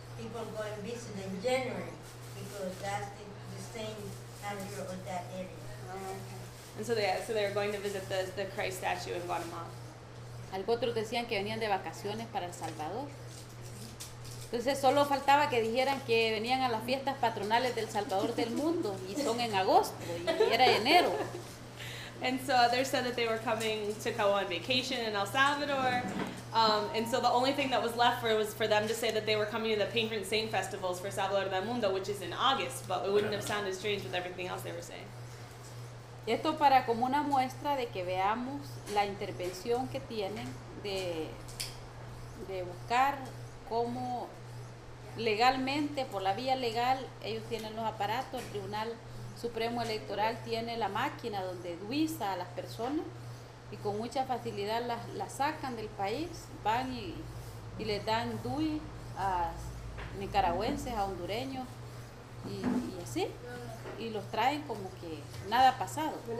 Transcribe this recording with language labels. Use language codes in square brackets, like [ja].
[en] People go and visit in January, because that's the same area of that area. Okay. And so they're going to visit the Christ statue in Guatemala. [es] Algo otros decían que venían de vacaciones para El Salvador. Entonces solo faltaba que dijeran que venían a las fiestas patronales del Salvador del mundo y son en agosto y era enero. [en] And so others said that they were coming to go on vacation in El Salvador. And so the only thing that was left was for them to say that they were coming to the patron saint festivals for Salvador del Mundo, which is in August, but it wouldn't have sounded strange with everything else they were saying. [es] Esto para como una muestra de que veamos la intervención que tienen de buscar cómo legalmente, por la vía legal, ellos tienen los aparatos, el Tribunal Supremo Electoral tiene la máquina donde duiza a las personas y con mucha facilidad las sacan del país, van y le dan DUI a nicaragüenses, a hondureños y así, y los traen como que nada ha pasado.